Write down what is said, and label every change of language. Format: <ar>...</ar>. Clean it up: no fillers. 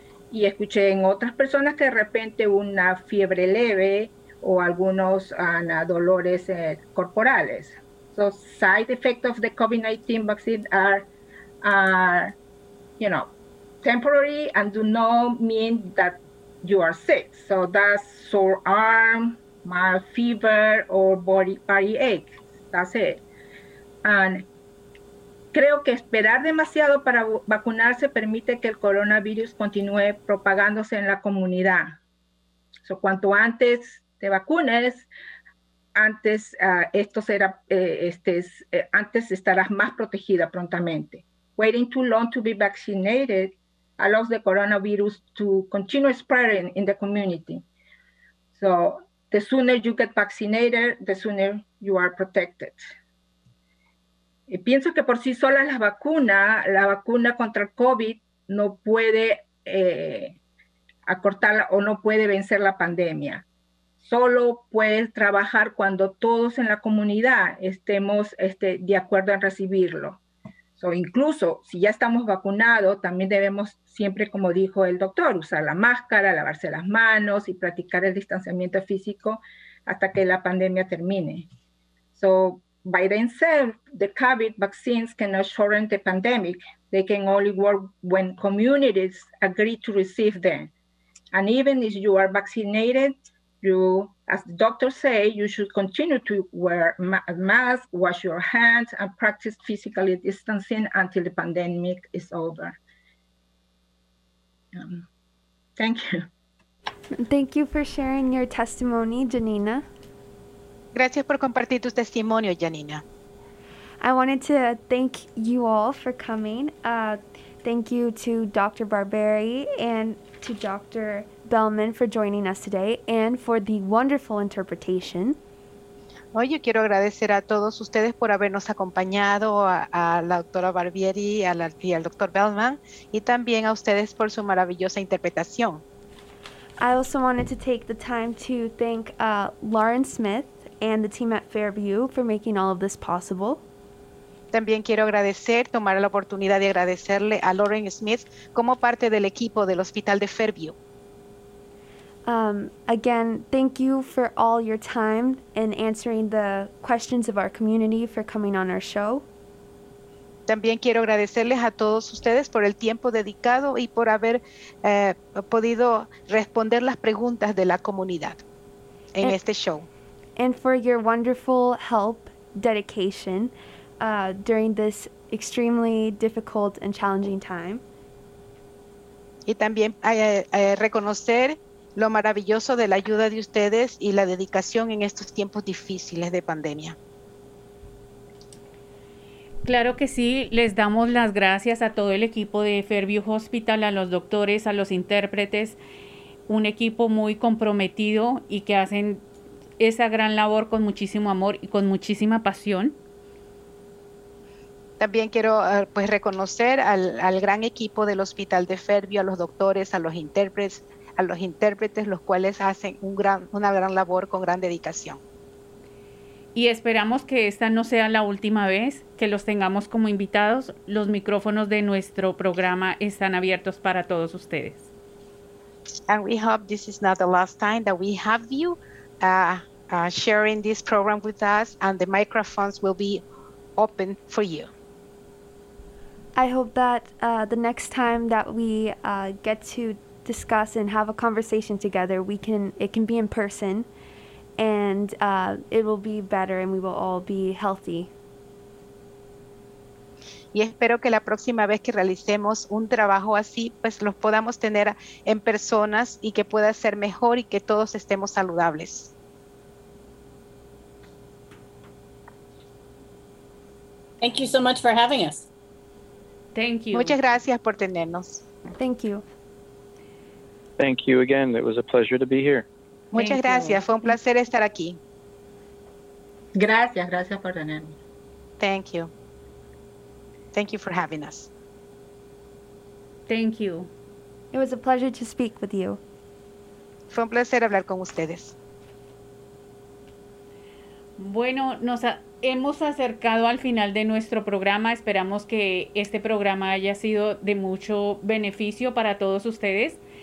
<es>Y escuché en otras personas que de repente una fiebre leve o algunos dolores corporales.</es> <en>So, side effects of the COVID-19 vaccine are temporary and do not mean that you are sick. So that's sore arm, mild fever, or body ache. That's it.</en> <es>And creo que esperar demasiado para vacunarse permite que el coronavirus continúe propagándose en la comunidad. So cuanto antes te vacunes, antes estarás más protegida prontamente.</es> <en>Waiting too long to be vaccinated allows the coronavirus to continue spreading in the community. So the sooner you get vaccinated, the sooner you are protected.</en> <es>Y pienso que por sí sola la vacuna contra el COVID no puede acortar o no puede vencer la pandemia. Solo puede trabajar cuando todos en la comunidad estemos de acuerdo en recibirlo. So, incluso si ya estamos vacunados, también debemos siempre, como dijo el doctor, usar la máscara, lavarse las manos y practicar el distanciamiento físico hasta que la pandemia termine.</es> <en>So, Biden said the COVID vaccines cannot shorten the pandemic. They can only work when communities agree to receive them. And even if you are vaccinated, you, as the doctor say, you should continue to wear a mask, wash your hands, and practice physical distancing until the pandemic is over. Thank you. Thank you for sharing your testimony, Janina.</en> <es>Gracias por compartir tu testimonio, Janina.</es> <en>I wanted to thank you all for coming. Thank you to Dr. Barberi and to Dr. Bellman for joining us today and for the wonderful interpretation.</en> <es>Hoy yo quiero agradecer a todos ustedes por habernos acompañado, a la doctora Barberi y al doctor Bellman, y también a ustedes por su maravillosa interpretación.</es> <en>I also wanted to take the time to thank Lauren Smith and the team at Fairview for making all of this possible.</en> <es>También quiero agradecer, tomar la oportunidad de agradecerle a Lauren Smith como parte del equipo del Hospital de Fairview.</es> <en>Again, thank you for all your time and answering the questions of our community for coming on our show.</en> <es>También quiero agradecerles a todos ustedes por el tiempo dedicado y por haber podido responder las preguntas de la comunidad en este show.</es> <en>And for your wonderful help, dedication during this extremely difficult and challenging time.</en> <es>Y también reconocer lo maravilloso de la ayuda de ustedes y la dedicación en estos tiempos difíciles de pandemia. Claro que sí, les damos las gracias a todo el equipo de Fairview Hospital, a los doctores, a los intérpretes, un equipo muy comprometido y que hacen esa gran labor con muchísimo amor y con muchísima pasión. También quiero pues reconocer al gran equipo del Hospital de Fairview, a los doctores, a los intérpretes, los cuales hacen una gran labor con gran dedicación. Y esperamos que esta no sea la última vez que los tengamos como invitados. Los micrófonos de nuestro programa están abiertos para todos ustedes.</es> <en>And we hope this is not the last time that we have you sharing this program with us, and the microphones will be open for you. I hope that the next time that we get to discuss and have a conversation together, it can be in person, and it will be better, and we will all be healthy.</en> <es>Y espero que la próxima vez que realicemos un trabajo así, pues los podamos tener en personas y que pueda ser mejor y que todos estemos saludables.</es> <en>Thank you so much for having us. Thank you.</en> <es>Muchas gracias por tenernos.</es> <en>Thank you. Thank you again. It was a pleasure to be here.</en> <es>Muchas gracias. Fue un placer estar aquí. Gracias. Gracias por tenernos.</es> <en>Thank you. Thank you for having us. Thank you. It was a pleasure to speak with you.</en> <es>Fue un placer hablar con ustedes. Bueno, hemos acercado al final de nuestro programa. Esperamos que este programa haya sido de mucho beneficio para todos ustedes.</es>